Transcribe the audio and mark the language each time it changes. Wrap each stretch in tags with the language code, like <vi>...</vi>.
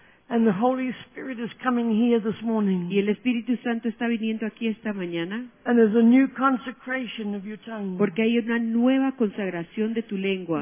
<en>And the Holy Spirit is coming here this morning.</en> <es>Y el Espíritu Santo está viniendo aquí esta mañana.</es> <en>And there's a new consecration of your tongue.</en> <es>Porque hay una nueva consagración de tu lengua.</es>